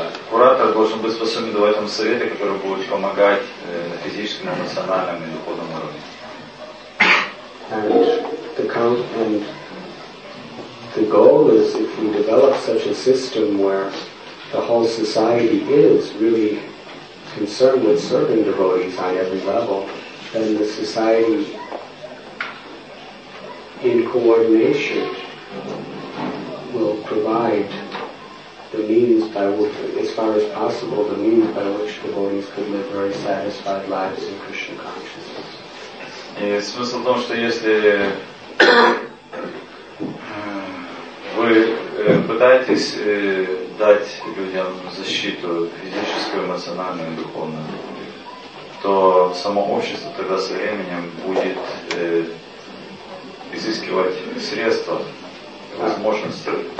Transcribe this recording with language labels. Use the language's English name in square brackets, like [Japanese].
[Russian] Куратор должен быть способен давать вам советы, которые будут помогать на физическом, эмоциональном и духовном уровне. [English] The goal is if you develop such a system where the whole society is really concerned with serving devotees on every level, then the society in coordination will provide the means by which, as far as possible, the means by which devotees can live very satisfied lives in Krishna consciousness. [Russian] Вы пытаетесь дать людям защиту физическую, эмоциональную и духовную, то само общество тогда со временем будет изыскивать средства, возможности.